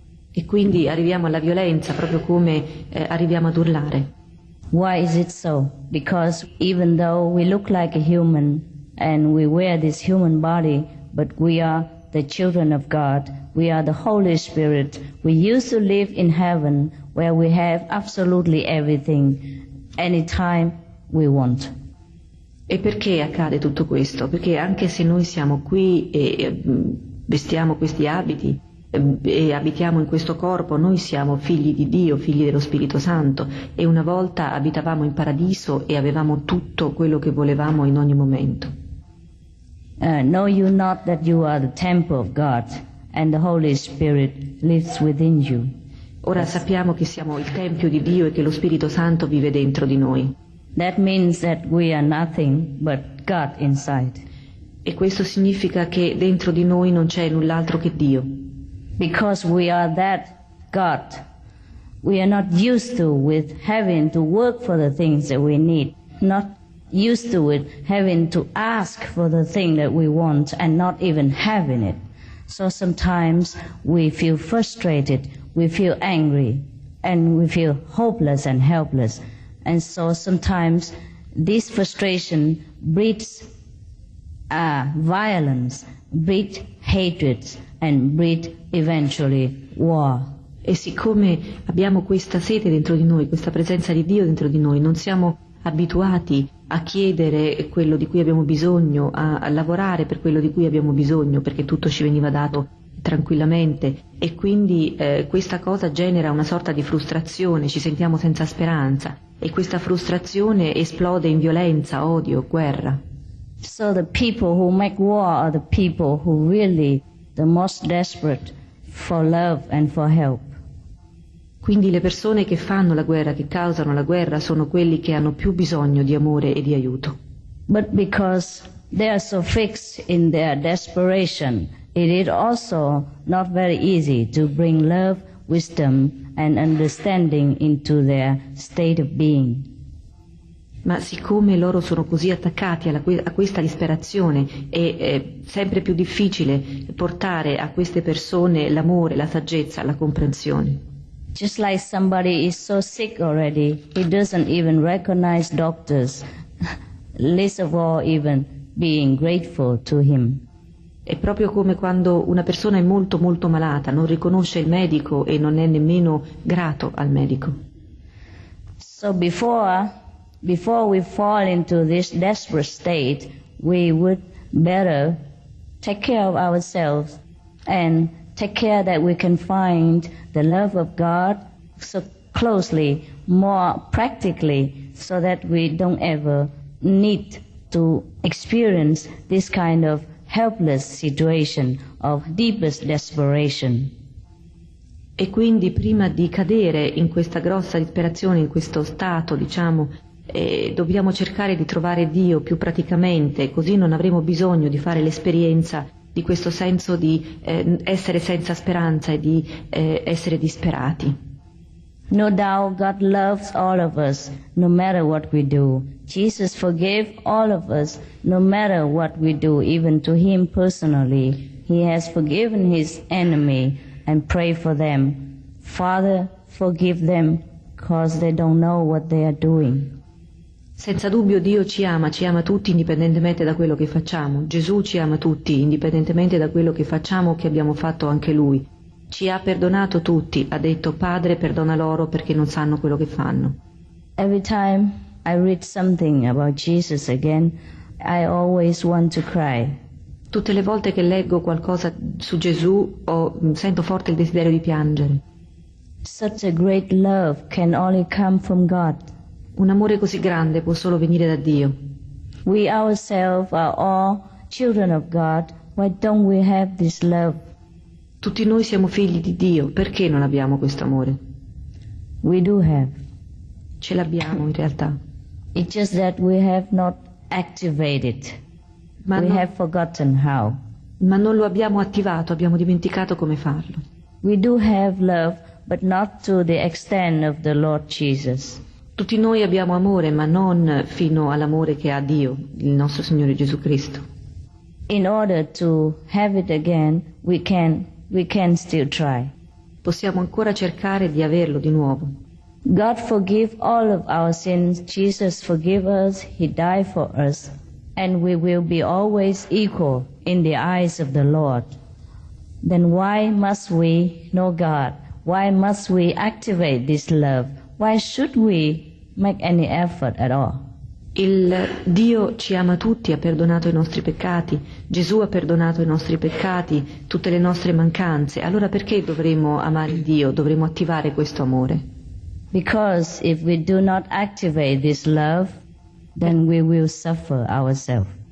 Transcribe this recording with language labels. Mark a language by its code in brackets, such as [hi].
[it] E quindi arriviamo alla violenza proprio come arriviamo ad urlare. [en] Why is it so? Because even though we look like a human and we wear this human body, but we are the children of God, we are the Holy Spirit, we used to live in heaven where we have absolutely everything, anytime we want. [it] E perché accade tutto questo? Perché anche se noi siamo qui e vestiamo questi abiti e abitiamo in questo corpo, noi siamo figli di Dio, figli dello Spirito Santo, e una volta abitavamo in paradiso e avevamo tutto quello che volevamo in ogni momento. [en] Know you not that you are the temple of God and the Holy Spirit lives within you? [it] Ora sappiamo che siamo il tempio di Dio e che lo Spirito Santo vive dentro di noi. [en] That means that we are nothing but God inside. [it] E questo significa che dentro di noi non c'è null'altro che Dio. [en] Because we are that God, we are not used to with having to work for the things that we need, not used to with having to ask for the thing that we want and not even having it. So sometimes we feel frustrated, we feel angry, and we feel hopeless and helpless. And so sometimes this frustration breeds violence, breeds hatred, and breed eventually war. [it] E siccome abbiamo questa sete dentro di noi, questa presenza di Dio dentro di noi, non siamo abituati a chiedere quello di cui abbiamo bisogno, a lavorare per quello di cui abbiamo bisogno, perché tutto ci veniva dato tranquillamente, e quindi questa cosa genera una sorta di frustrazione, ci sentiamo senza speranza, e questa frustrazione esplode in violenza, odio, guerra. [en] So the people who make war are the people who really the most desperate for love and for help. [it] Quindi le persone che fanno la guerra, che causano la guerra, sono quelli che hanno più bisogno di amore e di aiuto. [en] But because they are so fixed in their desperation, it is also not very easy to bring love, wisdom and understanding into their state of being. [it] Ma siccome loro sono così attaccati a questa disperazione, è sempre più difficile portare a queste persone l'amore, la saggezza, la comprensione. [en] Just like somebody is so sick already, he doesn't even recognize doctors, least of all even being grateful to him. [it] È proprio come quando una persona è molto molto malata, non riconosce il medico e non è nemmeno grato al medico. [en] So before we fall into this desperate state, we would better take care of ourselves and take care that we can find the love of God so closely, more practically, so that we don't ever need to experience this kind of helpless situation of deepest desperation. [it] E quindi prima di cadere in questa grossa disperazione, in questo stato, diciamo, dobbiamo cercare di trovare Dio più praticamente, così non avremo bisogno di fare l'esperienza di questo senso di essere senza speranza e di essere disperati. [en] No doubt God loves all of us no matter what we do. Jesus forgave all of us no matter what we do, even to him personally. He has forgiven his enemy and pray for them. Father, forgive them because they don't know what they are doing. [it] Senza dubbio Dio ci ama tutti indipendentemente da quello che facciamo. Gesù ci ama tutti indipendentemente da quello che facciamo o che abbiamo fatto anche Lui. Ci ha perdonato tutti, ha detto: Padre, perdona loro perché non sanno quello che fanno. [en] Every time I read something about Jesus again, I always want to cry. [it] Tutte le volte che leggo qualcosa su Gesù, sento forte il desiderio di piangere. [en] Such a great love can only come from God. [it] Un amore così grande può solo venire da Dio. [en] We ourselves are all children of God. Why don't we have this love? [it] Tutti noi siamo figli di Dio. Perché non abbiamo questo amore? [en] We do have. [it] Ce l'abbiamo in realtà. [en] It's just that we have not activated. We have forgotten how. [it] Ma non lo abbiamo attivato. Abbiamo dimenticato come farlo. [en] We do have love, but not to the extent of the Lord Jesus. [it] Tutti noi abbiamo amore, ma non fino all'amore che ha Dio, il nostro Signore Gesù Cristo. [en] In order to have it again, we can still try. [it] Possiamo ancora cercare di averlo di nuovo. [en] God forgive all of our sins. Jesus forgive us. He died for us, and we will be always equal in the eyes of the Lord. Then why must we know God? Why must we activate this love? Why should we make any effort at all? [it] Il Dio ci ama tutti, ha perdonato i nostri peccati. Gesù ha perdonato i nostri peccati, tutte le nostre mancanze. Allora perché dovremmo amare Dio? Dovremmo attivare questo amore? [en] Because if we do not activate this love, then we will suffer ourselves.